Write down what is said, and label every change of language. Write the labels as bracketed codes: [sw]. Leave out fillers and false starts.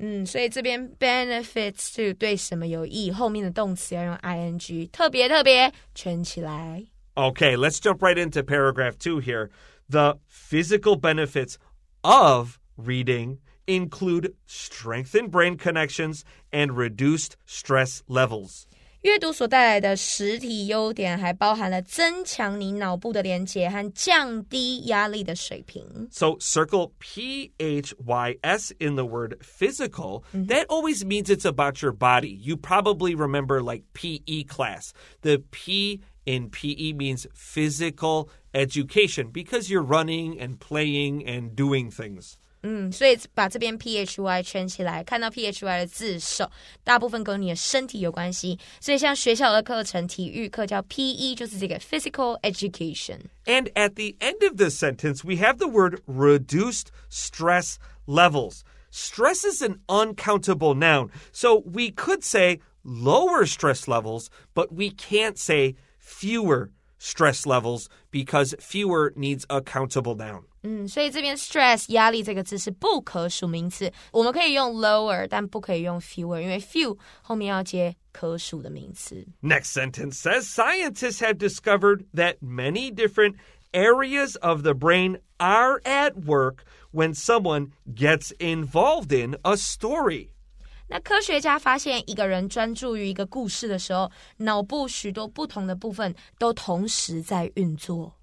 [zh] 所以这边 benefits to 对什么有益，后面的动词要用 I-N-G, 特别特别圈起来。 [en] Okay, let's jump right into paragraph two here. The physical benefits ofreading include strengthened brain connections and reduced stress levels. [zh] 阅读所带来的实体优点还包含了增强你脑部的连接和降低压力的水平。 [en] So circle P-H-Y-S in the word physical. Mm-hmm. That always means it's about your body. You probably remember like P-E class. The P in P-E means physical education because you're running and playing and doing things. [zh] 所以把这边 PHY 圈起来，看到 PHY 的字首，大部分跟你的身体有关系。所以像学校的课程，体育课叫 PE, 就是这个 physical education. [en] And at the end of this sentence, we have the word reduced stress levels. Stress is an uncountable noun. So we could say lower stress levels, but we can't say fewer stress levels because fewer needs a countable noun. [zh] 所以这边 stress, 压力这个字是不可数名词。我们可以用 lower, 但不可以用 fewer, 因为 few 后面要接可数的名词。 [en] Next sentence says, scientists have discovered that many different areas of the brain are at work when someone gets involved in a story. [zh] 那科学家发现一个人专注于一个故事的时候，脑部许多不同的部分都同时在运作。